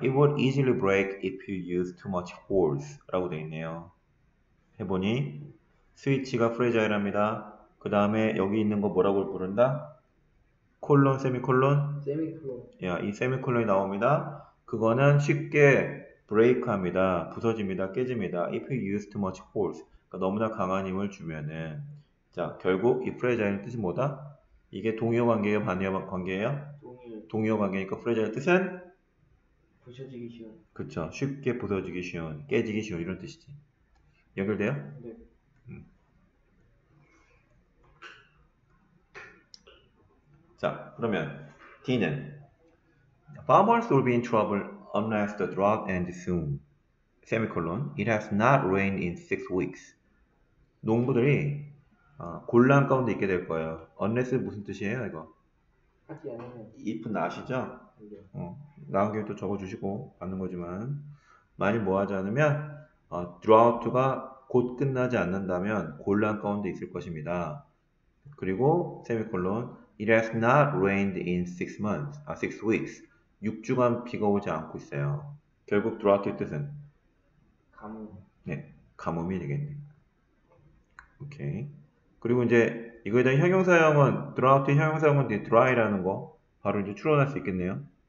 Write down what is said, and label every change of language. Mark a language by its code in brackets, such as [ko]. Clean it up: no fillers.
[en] It would easily break if you use too much force. [ko] 라고 되어 있네요. 해보니 스위치가 프레자일합니다. 그 다음에 여기 있는 거 뭐라고 부른다? 콜론, 세미콜론? 세미콜론. 야, 이 세미콜론이 나옵니다. 그거는 쉽게 브레이크합니다. 부서집니다. 깨집니다. [en] If you use too much force. [ko] 그러니까 너무나 강한 힘을 주면은. 자, 결국 이 프레자일의 뜻이 뭐다? 이게 동의어 관계예요? 반의어 관계예요? 동의어 관계니까 프레자일의 뜻은? 부서지기 쉬운. 그쵸. 쉽게 부서지기 쉬운. 깨지기 쉬운. 이런 뜻이지. 연결돼요? 네. 자, 그러면 D는 [en] Farmers will be in trouble unless the drought ends soon. 세미콜론. It has not rained in 6 weeks. [ko] 농부들이 곤란 가운데 있게 될 거예요. Unless 무슨 뜻이에요, 이거? 하지 않으면. If는 아시죠? 나온 김에 또 적어주시고 받는 거지만 만약 뭐 하지 않으면 drought가 곧 끝나지 않는다면 곤란 가운데 있을 것입니다. 그리고 세미콜론. [en] It has not rained in 6 weeks. [ko] 6주간 비가 오지 않고 있어요. 결국 drought의 뜻은? 가뭄. 네, 가뭄이 되겠네요. 오케이. 그리고 이제 이거에 대한 형용사형은 drought의 형용사형은 dry라는 거 바로 이제 추론할 수 있겠네요.